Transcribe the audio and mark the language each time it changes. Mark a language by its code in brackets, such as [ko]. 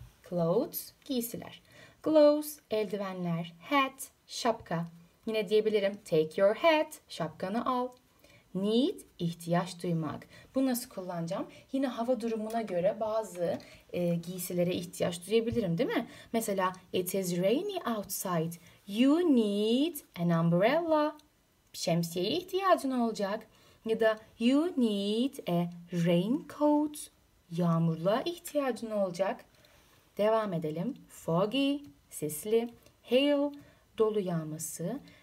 [tr] Clothes, giysiler. Gloves, eldivenler. Hat, şapka. Yine diyebilirim. [en] Take your hat, [tr] şapkanı al. Need, ihtiyaç duymak. Bu nasıl kullanacağım? Yine hava durumuna göre bazı giysilere ihtiyaç duyabilirim, değil mi? [en] Mesela, it is rainy outside. You need an umbrella. [tr] Şemsiyeye ihtiyacın olacak. Ya da [en] you need a raincoat. [tr] Yağmurluğa ihtiyacın olacak. Devam edelim. Foggy, sisli. Hail, dolu yağması.